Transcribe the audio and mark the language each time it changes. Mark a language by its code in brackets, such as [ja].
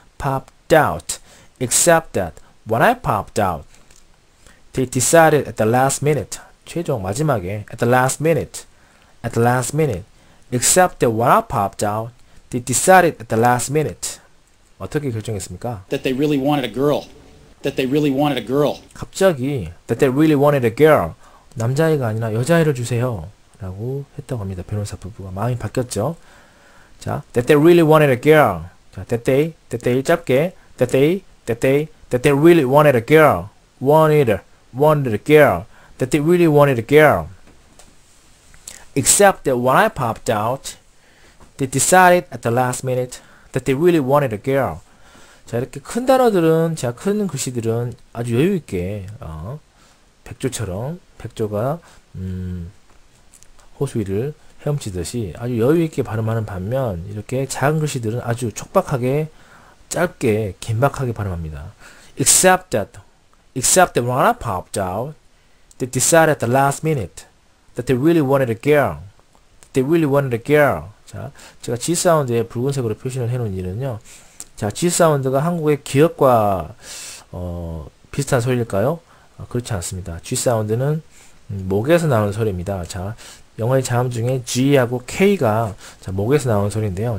[en] popped out, except that when I popped out, they decided at the last minute, [ko] 최종 마지막에, [en] at the last minute, at the last minute, except that when I popped out, they decided at the last minute, [ko] 어떻게 결정했습니까? [en] That they really wanted a girl, that they really wanted a girl. [ko] 갑자기, [en] that they really wanted a girl, [ko] 남자아이가 아니라 여자아이를 주세요. 라고 했다고 합니다. 변호사 부부가 마음이 바뀌었죠. [en] 자, that they really wanted a girl. 자, that they [ko] 짧게, [en] that they really wanted a girl. Wanted a girl. That they really wanted a girl. Except that when I popped out, they decided at the last minute that they really wanted a girl. [ko] 자, 이렇게 큰 단어들은, 자, 큰 글씨들은 아주 여유 있게, 백조처럼 백조가 호수위를 헤엄치듯이 아주 여유있게 발음하는 반면 이렇게 작은 글씨들은 아주 촉박하게 짧게 긴박하게 발음합니다. [en] Except that when I popped out, they decided at the last minute that they really wanted a girl. That they really wanted a girl. [ko] 자, 제가 G 사운드에 붉은색으로 표시를 해놓은 이유는요. 자, G사운드가 한국의 기역과 비슷한 소리일까요? 그렇지 않습니다. G사운드는 목에서 나오는 소리입니다. 자, 영어의 자음 중에 G하고 K가 자, 목에서 나오는 소리인데요.